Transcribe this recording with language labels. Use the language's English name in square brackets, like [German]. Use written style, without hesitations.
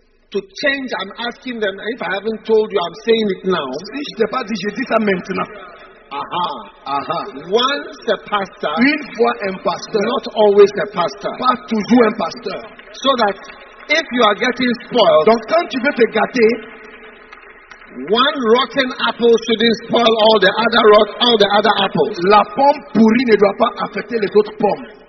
[English] To change, I'm asking them, if I haven't told you, I'm saying it now. [French] Si je t'ai pas dit, je dis ça maintenant. [English] Aha. Once a pastor, [French] une fois un pasteur, [English] not always a pastor, [French] pas toujours un pasteur. [English] So that if you are getting spoiled, [French] donc quand tu veux te gâter, [English] one rotten apple shouldn't spoil all the other apples. [French] La pomme pourrie ne doit pas affecter les autres pommes.